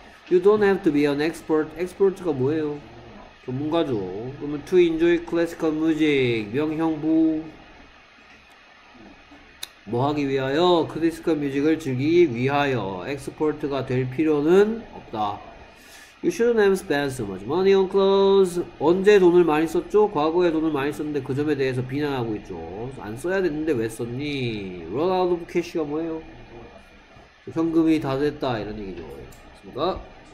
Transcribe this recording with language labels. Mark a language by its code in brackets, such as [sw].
[en] You don't have to be an expert. [ko] expert가 뭐예요? 전문가죠. 그러면 [en] to enjoy classical music. [ko] 명형부. 뭐 하기 위하여? 클래식한 뮤직을 즐기기 위하여 엑스퍼트가 될 필요는 없다. [en] You shouldn't have spent so much money on clothes. [ko] 언제 돈을 많이 썼죠? 과거에 돈을 많이 썼는데 그 점에 대해서 비난하고 있죠. 안 써야 됐는데 왜 썼니? [en] Run out of cash [ko] 가 뭐예요? 현금이 다 됐다 이런 얘기죠. 맞습니까?